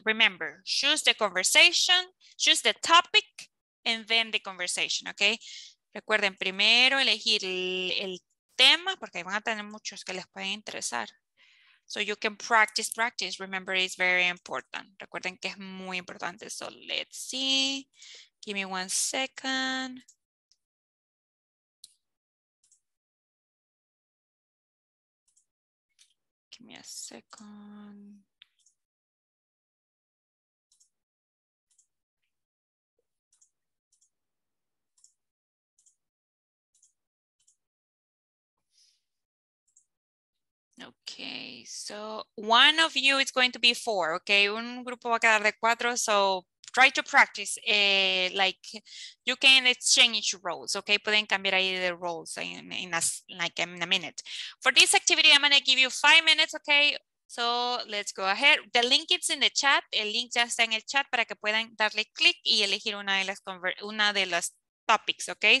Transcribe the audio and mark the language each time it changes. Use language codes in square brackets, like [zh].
[en] Remember, choose the conversation, choose the topic, and then the conversation, okay? [es] Recuerden, primero elegir el tema, porque van a tener muchos que les pueden interesar. [en] So you can practice, practice. Remember, it's very important. [es] Recuerden que es muy importante. [en] So let's see. Give me one second. Give me a second. Okay, so one of you is going to be four, okay? [es] Un grupo va a quedar de cuatro, [en] so try to practice. Like, you can exchange roles, okay? [es] Pueden cambiar ahí de roles [en] in a minute. For this activity, I'm gonna give you 5 minutes, okay? So let's go ahead. The link is in the chat. [es] El link ya está en el chat para que puedan darle click y elegir una de las topics, okay?